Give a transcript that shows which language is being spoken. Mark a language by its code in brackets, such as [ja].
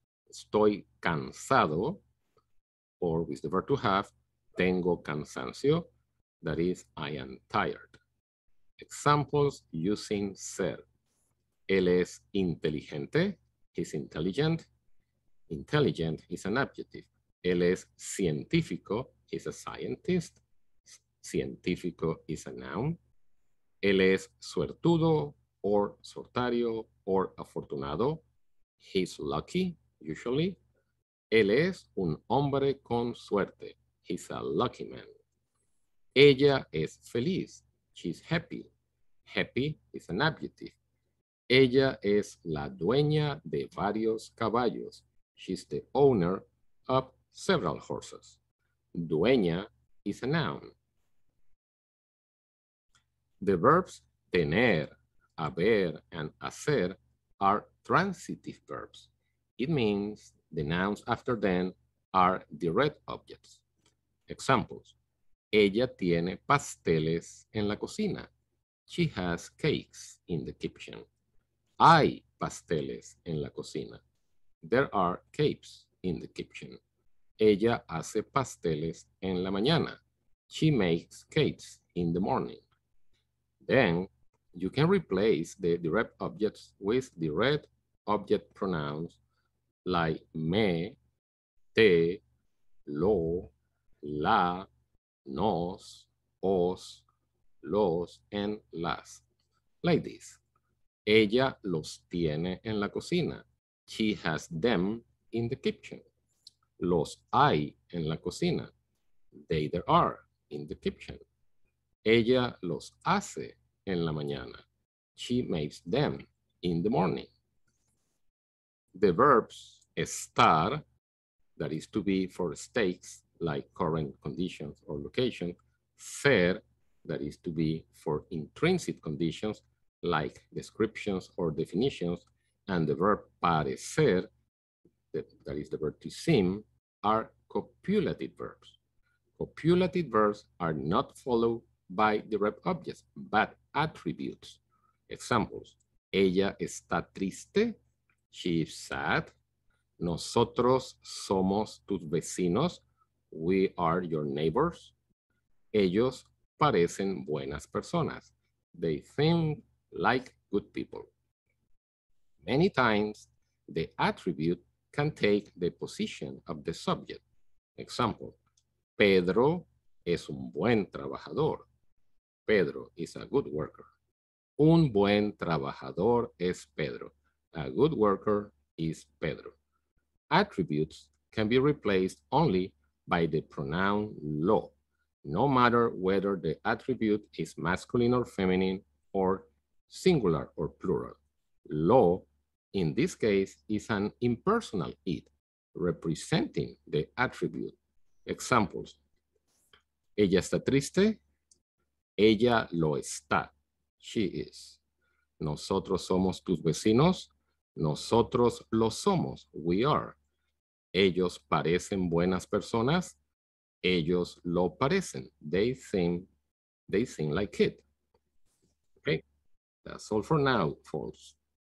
[es] Estoy cansado, [en] or with the verb to have, [es] tengo cansancio, [en] that is, I am tired. Examples using ser. [es] Él es inteligente, [en] he's intelligent. Intelligent is an adjective. [es] Él es científico, [en] he's a scientist. Científico is a noun. [es] Él es suertudo, or sortario, or afortunado. [en] He's lucky, usually. [es] Él es un hombre con suerte. [en] He's a lucky man. [es] Ella es feliz. [en] She's happy. Happy is an adjective. [es] Ella es la dueña de varios caballos. [en] She's the owner of several horses. Dueña is a noun. The verbs tener, haber, and hacer are transitive verbs. It means the nouns after them are direct objects. Examples. [es] Ella tiene pasteles en la cocina. [en] She has cakes in the kitchen. [es] Hay pasteles en la cocina. [en] There are cakes in the kitchen. [es] Ella hace pasteles en la mañana. [en] She makes cakes in the morning. Then, you can replace the direct objects with direct object pronouns like me, te, lo, la, nos, os, los, and las. Like this. [es] Ella los tiene en la cocina. [en] She has them in the kitchen. [es] Los hay en la cocina. [en] They there are in the kitchen. [es] Ella los hace en la mañana. [en] She makes them in the morning. The verbs estar, that is to be for states like current conditions or location, ser, that is to be for intrinsic conditions like descriptions or definitions, and the verb parecer, that is the verb to seem, are copulative verbs. Copulative verbs are not followed by direct objects, but attributes. Examples. [es] Ella está triste. [en] She is sad. [es] Nosotros somos tus vecinos. [en] We are your neighbors. [es] Ellos parecen buenas personas. [en] They seem like good people. Many times, the attribute can take the position of the subject. [es] Example, Pedro es un buen trabajador. [en] Pedro is a good worker. [es] Un buen trabajador es Pedro. [en] A good worker is Pedro. Attributes can be replaced only by the pronoun lo, no matter whether the attribute is masculine or feminine, or singular or plural. Lo, in this case, is an impersonal it, representing the attribute. [es] Examples. Ella está triste. Ella lo está. [en] She is. [es] Nosotros somos tus vecinos. Nosotros lo somos. [en] We are. [es] Ellos parecen buenas personas. Ellos lo parecen. [en] They seem like it. Okay. That's all for now, folks.